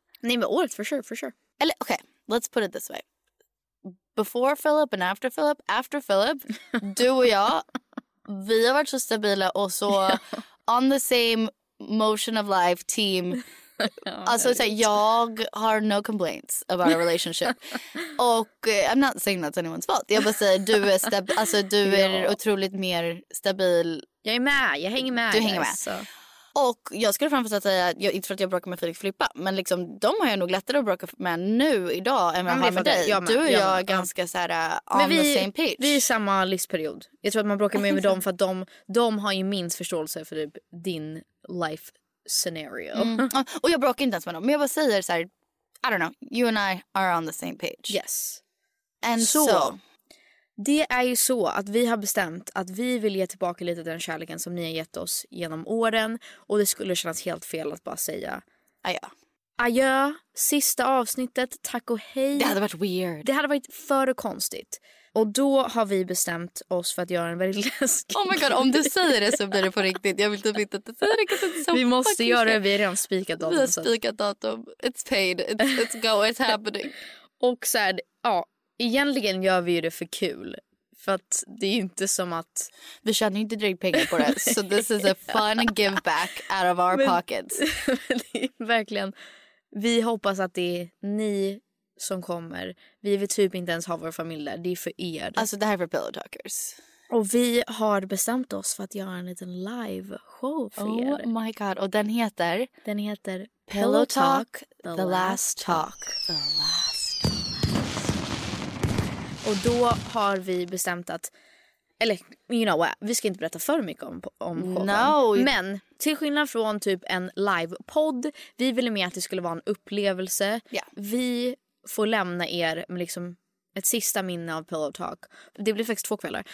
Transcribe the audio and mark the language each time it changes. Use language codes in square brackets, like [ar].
[sv] Nej, men året, [en] for sure, for sure. [sv] Eller, okej. [en] Okay. Let's put it this way. Before Philip and after Philip, [sv] du och jag, vi har varit så stabila och så [en] on the same motion of life team. [sv] Alltså, så här, jag har [en] no complaints about our relationship. Och I'm not saying that's anyone's fault. [sv] Jag bara säger, du är alltså, du är otroligt mer stabil. Jag är med, jag hänger med. Du hänger med. Så. Och jag skulle framförst att säga, inte för att jag bråkar med Felix Flippa, men liksom, de har jag nog lättare att bråka med nu idag än vad jag har med dig. Jag med, du och jag är ganska så här, [en] on the same page. [sv] Vi är i samma livsperiod. Jag tror att man bråkar mer med dem för att de har ju minst förståelse för typ, din life scenario. Mm. Och jag bråkar inte ens med dem, men jag bara säger så här, [en] I don't know, you and I are on the same page. Yes. And so [sv] det är ju så att vi har bestämt att vi vill ge tillbaka lite den kärleken som ni har gett oss genom åren. Och det skulle kännas helt fel att bara säga adjö. Adjö, sista avsnittet, tack och hej. Det hade varit weird. Det hade varit för konstigt. Och då har vi bestämt oss för att göra en väldigt läskig... [en] Oh my god, [sv] om du säger det så blir det på riktigt. Jag vill typ inte att det säger det. Vi måste göra det, vi har redan spikat datum. Vi har spikat datum. [en] It's paid, it's go, it's happening. [sv] Och så här, ja... Egentligen gör vi ju det för kul. För att det är ju inte som att... Vi tjänar ju inte direkt pengar på det. [en] Så this is a fun give back out of our pockets. [sv] Men det är verkligen... Vi hoppas att det är ni som kommer. Vi vill typ inte ens ha vår familj där. Det är för er. Alltså det här är för pillow talkers. Och vi har bestämt oss för att göra en liten live show för er. [en] Oh my god. [sv] Och den heter... Den heter... [en] Pillow Talk, the last talk. The last. [sv] Och då har vi bestämt att, eller [en] you know what, [sv] vi ska inte berätta för mycket om showen. [en] No. [sv] Men till skillnad från typ en live-podd, vi ville med att det skulle vara en upplevelse. [en] Yeah. [sv] Vi får lämna er med liksom ett sista minne av Pillow Talk. Det blir faktiskt två kvällar.